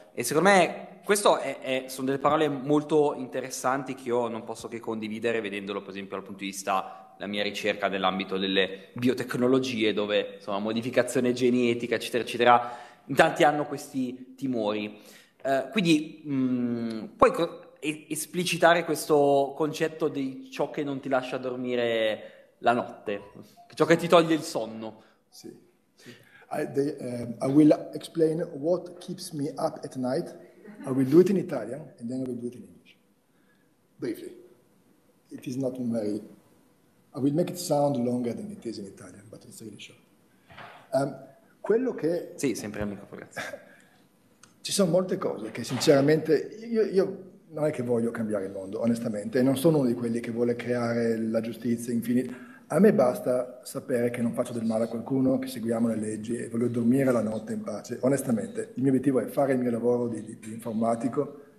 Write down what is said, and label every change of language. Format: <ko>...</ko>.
<it>E secondo me questo sono delle parole molto interessanti che io non posso che condividere vedendolo, per esempio, dal punto di vista della mia ricerca nell'ambito delle biotecnologie, dove insomma modificazione genetica, eccetera, eccetera, in tanti hanno questi timori. Quindi puoi esplicitare questo concetto di ciò che non ti lascia dormire la notte, ciò che ti toglie il sonno. Sì.</it> <en>I will explain what keeps me up at night. I will do it in Italian, and then I will do it in English. Briefly. It is not very... I will make it sound longer than it is in Italian, but it's really short.</en> <it>Quello che... Sì, sempre amico, ragazzi. Ci sono molte cose che, sinceramente, io non è che voglio cambiare il mondo, onestamente. Non sono uno di quelli che vuole creare la giustizia infinita. A me basta sapere che non faccio del male a qualcuno, che seguiamo le leggi e voglio dormire la notte in pace. Onestamente, il mio obiettivo è fare il mio lavoro di informatico</it>